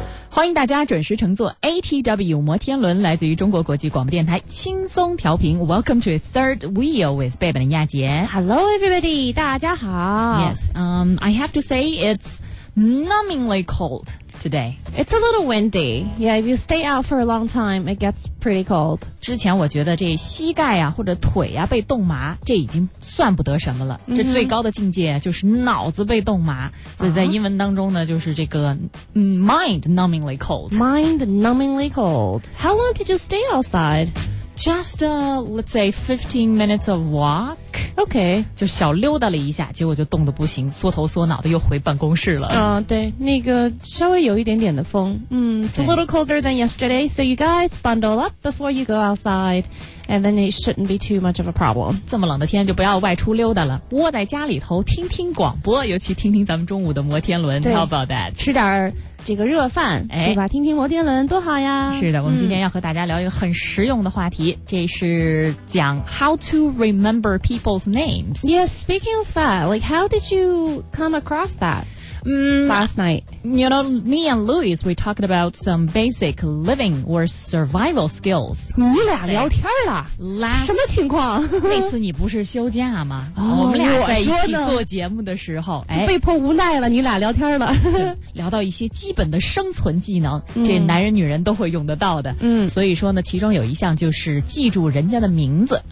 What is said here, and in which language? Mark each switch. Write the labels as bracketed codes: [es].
[zh] 欢迎大家准时乘坐 ATW 摩天轮，来自于中国国际广播电台轻松调频。 [en] Welcome to Third Wheel with Bebe and 亚杰。 Hello, everybody， [zh] 大家好。 [en] Yes, I have to say it's numbingly cold today. It's a little windy. Yeah, if you stay out for a long time, it gets pretty cold. [zh] 之前我觉得这膝盖啊或者腿啊被冻麻，这已经算不得什么了。这最高的境界就是脑子被冻麻。所以在英文当中呢，就是这个 [en] mind numbingly cold. Mind numbingly cold. How long did you stay outside? Just, let's say 15 minutes of walk. Okay. [zh] 就小溜达了一下，结果就冻得不行，缩头缩脑的又回办公室了。对，那个稍微有一点点的风。 [en] It's a little colder than yesterday, so you guys bundle up before you go outside, and then it shouldn't be too much of a problem. [zh] 这么冷的天就不要外出溜达了，窝在家里头听听广播，尤其听听咱们中午的摩天轮。 [en] How about that? [zh] 吃点儿。这个热饭，哎，对吧？听听摩天轮多好呀！是的，我们今天要和大家聊一个很实用的话题，这是讲 [en] how to remember people's names. Yes, speaking of that, like how did you come across that? Last night, you know, me and Louis, we talked about some basic living or survival skills. [zh] 我们俩聊天了， [en] last, [zh] 什么情况？那次你不是休假吗？哦、我们俩在一起做节目的时候，哎，被迫无奈了，你俩聊天了，聊到一些基本的生存技能，这男人女人都会用得到的。所以说呢，其中有一项就是记住人家的名字。